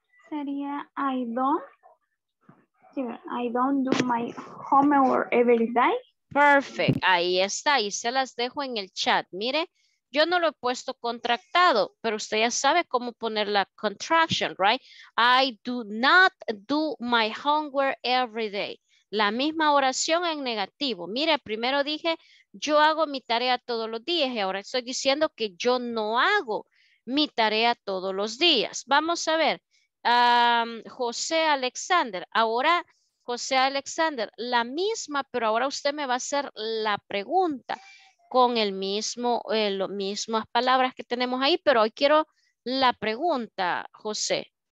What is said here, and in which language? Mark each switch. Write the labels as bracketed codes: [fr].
[en] Sería, I don't do my homework every day. [es] Perfect. Ahí está. Y se las dejo en el chat. Mire, yo no lo he puesto contractado, pero usted ya sabe cómo poner la contraction, right? [en] I do not do my homework every day. [es] La misma oración en negativo. Mire, primero dije, yo hago mi tarea todos los días. Y ahora estoy diciendo que yo no hago mi tarea todos los días. Vamos a ver. José Alexander, ahora José Alexander, la misma, pero ahora usted me va a hacer la pregunta con el mismo, las mismas palabras que tenemos ahí, pero hoy quiero la pregunta, José.